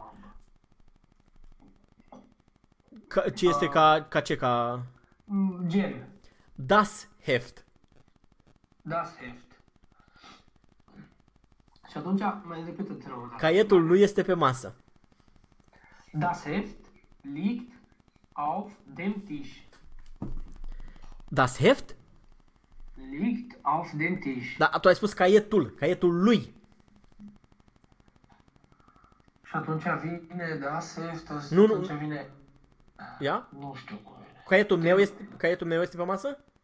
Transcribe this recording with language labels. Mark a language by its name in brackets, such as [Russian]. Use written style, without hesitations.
[Romanian] am. Ce este ca, ca ce? Ca... Gen. [German] Das Heft. Das Heft. [Romanian] Și atunci mai repetă-te rău. Caietul lui este pe masă. [German] Das Heft liegt auf dem Tisch. Das Heft liegt auf dem Tisch. [Romanian] Da, tu ai spus caietul, caietul lui. Și atunci vine [German] Das Heft, [Romanian] nu, atunci nu. Vine... Ia? Yeah? Nu știu cum e. Caietul, meu este, caietul meu este pe masă?